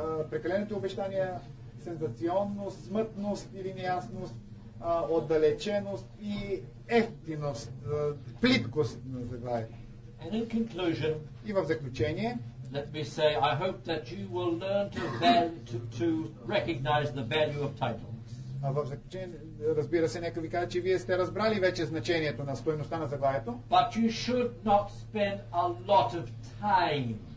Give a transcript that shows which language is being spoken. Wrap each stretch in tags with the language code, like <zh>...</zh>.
<bg>Прекаленото обещание, сензационност, смътност или неясност, отдалеченост и ефтиност, плиткост на заглавие.</bg> <en>And in conclusion,</en> <bg>и в заключение,</bg> <en>let me say, I hope that you will learn to recognize the value of titles.</en> <bg>А в заключение, разбира се, нека ви кажа, че вие сте разбрали вече значението на стойността на заглавието.</bg> <en>But you should not spend a lot of time.</en>